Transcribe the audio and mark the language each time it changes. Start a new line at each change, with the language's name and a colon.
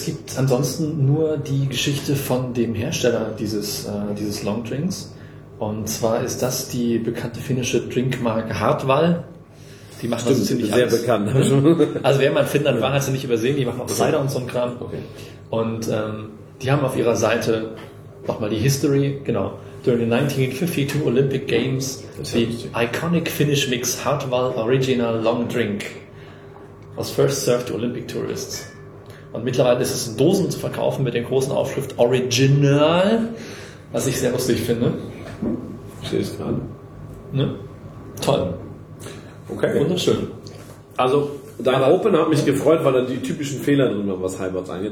German: Es gibt ansonsten nur die Geschichte von dem Hersteller dieses Longdrinks. Und zwar ist das die bekannte finnische Drinkmarke Hartwall. Die machen das ziemlich sehr bekannt. Also wer mal in Finnland war, hat sie nicht übersehen. Die machen auch Cider und so einen Kram. Okay. Und die haben auf ihrer Seite nochmal die History. Genau.
English: During the 1952 Olympic Games, the iconic Finnish mix Hartwall Original Long Drink was first served to Olympic tourists.
German: Und mittlerweile ist es in Dosen zu verkaufen mit dem großen Aufschrift Original, was ich sehr lustig finde. Ich sehe es gerade. Ne? Toll. Okay. Wunderschön. Also, dein Opener hat mich gefreut, weil da die typischen Fehler drin waren, was Highboards angeht.